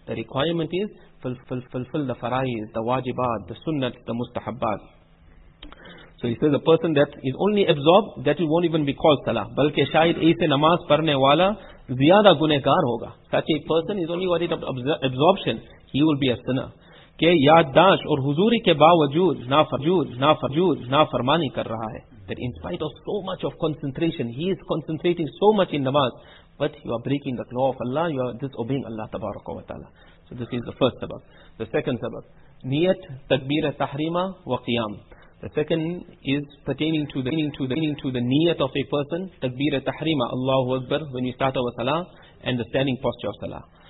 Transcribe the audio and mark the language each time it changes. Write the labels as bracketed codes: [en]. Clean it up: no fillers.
[en] The requirement is fulfill the faraiz, the wajibat, the sunnat, the mustahabbat. So he says, a person that is only absorbed, that it won't even be called salah. [ur] بلکہ شاید ایسے نماز پڑھنے والا زیادہ گنہگار ہوگا. [en] Such a person is only worried about absorption. He will be a sinner. [ur] کہ یادداشت اور حضوری کے باوجود نافرمانی کر رہا ہے. [en] That in spite of so much of concentration, he is concentrating so much in namaz, but you are breaking the law of Allah, you are disobeying Allah Tabaraka wa Ta'ala. So this is the first sabab. The second sabab, niyat, takbira, tahrima, wa qiyam. The second is pertaining to the niyat of a person, takbira, tahrima, Allahu Akbar, when you start our salah, and the standing posture of salah.